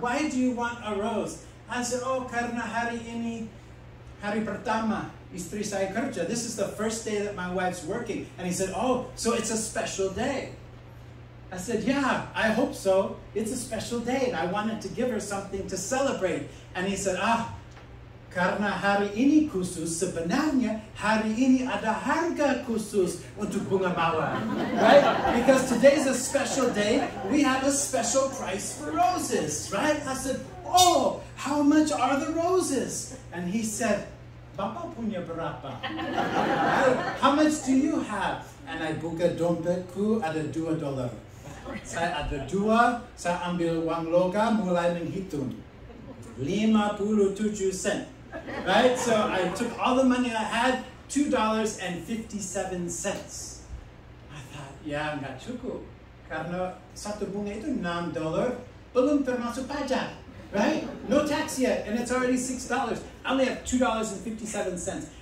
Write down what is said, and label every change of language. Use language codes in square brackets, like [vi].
[en] Why do you want a rose? I said, oh, [id] karena hari ini, hari pertama. Istri saya kerja. [en] This is the first day that my wife's working. And he said, oh, so it's a special day. I said, yeah, I hope so. It's a special day. And I wanted to give her something to celebrate. And he said, ah, [id] karena hari ini khusus, sebenarnya hari ini ada harga khusus untuk bunga mawar. [en] Right? Because today's a special day. We have a special price for roses. Right? I said, oh, how much are the roses? And he said, [id] Bapa punya berapa? [en] How much do you have? And I [id] buka dompetku ada $2. Saya ada dua, saya ambil uang logam mulai menghitung. 57 sen. Right? [en] So I took all the money I had, $2.57. I thought, [id] ya enggak cukup. Karena satu bunga itu $9, belum termasuk pajak. Right? [en] No tax yet, and it's already $6. I only have $2.57.